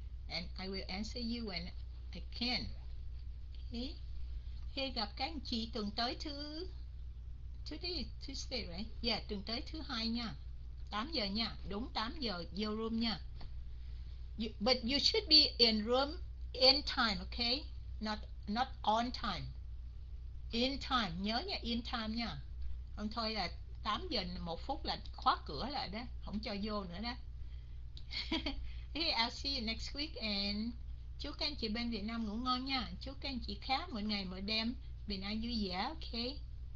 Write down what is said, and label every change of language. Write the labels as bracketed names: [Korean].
[English] And I will answer you when I can. Okay. [Vietnamese] Hey, gặp các anh chị tuần tới thứ [English] Tuesday, Tuesday right? [Vietnamese] Yeah, tuần tới thứ hai nha. 8 giờ nha, đúng 8 giờ vô room nha. [English] You, but you should be in room in time, okay? Not on time. In time, [Vietnamese] nhớ nha, [English] in time nha. [Vietnamese] Không thôi là 8 giờ 1 phút là khóa cửa lại đó, không cho vô nữa đó. [English] Hey, I'll see you next week [Vietnamese] and chúc các anh chị bên Việt Nam ngủ ngon nha. Chúc các anh chị khác mỗi ngày mỗi đêm bình an vui vẻ. Okay.